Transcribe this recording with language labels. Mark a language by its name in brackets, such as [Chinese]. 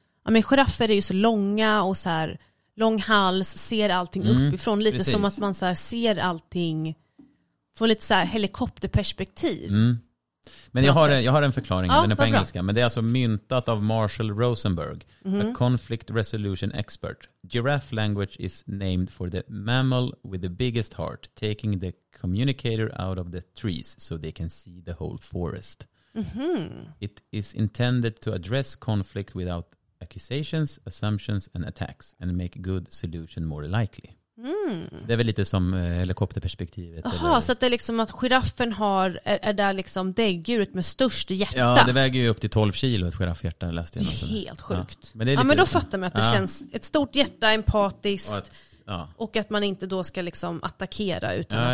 [Swedish] Ja, men giraffer är ju så långa och så här lång hals, ser allting, mm, uppifrån lite, precis. Som att man så här ser allting, får lite så här helikopterperspektiv. Mm. Men jag har en förklaring, ja, den är på engelska, bra. Men det är alltså myntat av Marshall Rosenberg, mm-hmm. [English] a conflict resolution expert. Giraffe language is named for the mammal with the biggest heart, taking the communicator out of the trees so they can see the whole forest. Mm-hmm. It is intended to address conflict without accusations, assumptions and attacks and make good solution more likely. Mm. [Swedish] Det är väl lite som helikopterperspektivet. Jaha, så att det är liksom att giraffen är där liksom däggdjuret med störst hjärta. Ja, det väger ju upp till 12 kilo ett giraffhjärta, läste jag. Det är helt sjukt. Ja, men, det är, ja, men då fattar man att det, ja. Känns ett stort hjärta, empatiskt och att man inte då ska liksom attackera utan,